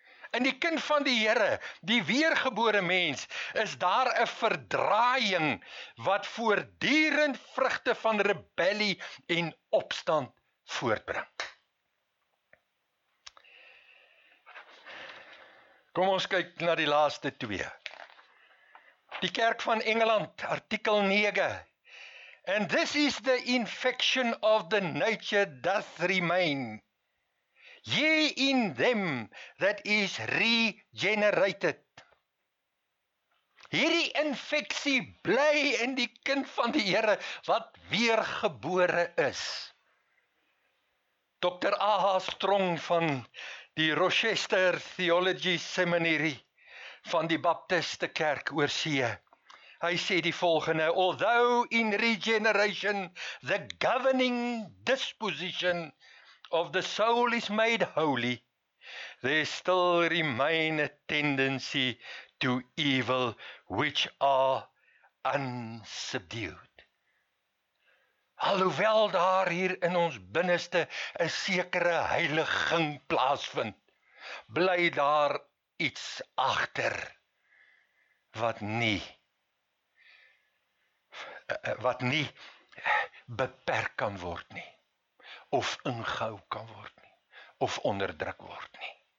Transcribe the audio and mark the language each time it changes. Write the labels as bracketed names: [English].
[Afrikaans] In die kind van die Here, die weergebore mens, is daar 'n verdraaiing wat voortdurend vrugte van rebellie en opstand voortbring. Kom ons kyk na die laaste twee. Die Kerk van Engeland, artikel 9. [English] And this is the infection of the nature doth remain. Ye in them that is regenerated. [Afrikaans] Hierdie infeksie bly in die kind van die Here wat weergebore is. Dr. A.H. Strong van die Rochester Theology Seminary van die Baptiste Kerk oor see. Hy sê die volgende, [English] although in regeneration the governing disposition of the soul is made holy, there still remain a tendency to evil which are unsubdued. [Afrikaans] Alhoewel daar hier in ons binneste 'n sekere heiliging plaasvind, bly daar iets agter wat nie beperk kan word nie, of ingehou kan word nie, of onderdruk word nie.